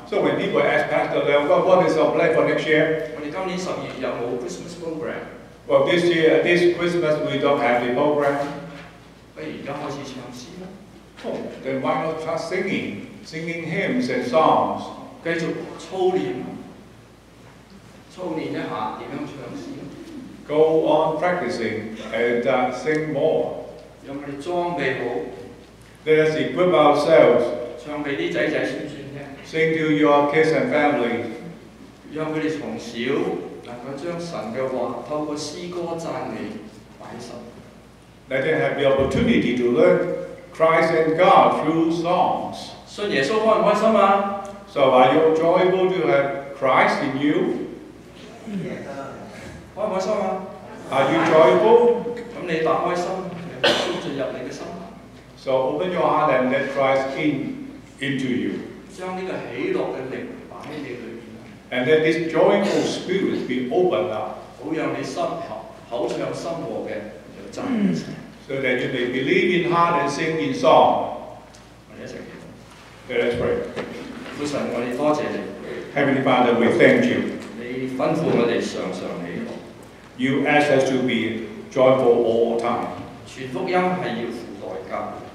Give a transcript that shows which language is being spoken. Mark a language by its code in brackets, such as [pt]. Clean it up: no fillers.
[en] ？So when people ask Pastor Leung, what is our plan for next year? [yue] 我哋今年十二月有冇 Christmas program? [en] Well, this year, this Christmas, we don't have the program. [yue] 不如而家開始唱詩啦。 [en] Oh, then why not start singing, singing hymns and songs? [yue] 繼續操練，操練一下點樣唱詩。 [en] Go on practicing and sing more. [yue] 讓我哋裝備好。 [en] Let us equip ourselves. [yue] 唱俾啲仔仔孫孫聽。 [en] Sing to your kids and family. [yue] 讓佢哋從小能夠將神嘅話透過詩歌讚美擺首。 [en] Let them have the opportunity to learn Christ and God through songs. [yue] 信耶穌開唔開心啊 [en] ？So are you joyful to have Christ in you? [yue] 開唔開心啊 [en] ？Are you joyful? [yue] 咁你打開心，耶穌進入你嘅心。 [en] So open your heart and let Christ in into you. [yue] 將呢個喜樂嘅靈擺喺你裏邊。 [en] And let this joyful spirit be opened up. [yue] 好讓你心口唱心和嘅就讚美神。 [en] So that you may believe in heart and sing in song. [yue] 我哋一齊。 [en] Let's pray. [yue] 父神，我哋多謝你。 [en] Heavenly Father, we thank you. [yue] 你吩咐我哋常常喜樂。 [en] You ask us to be joyful all time. [yue] 傳福音係要付代價。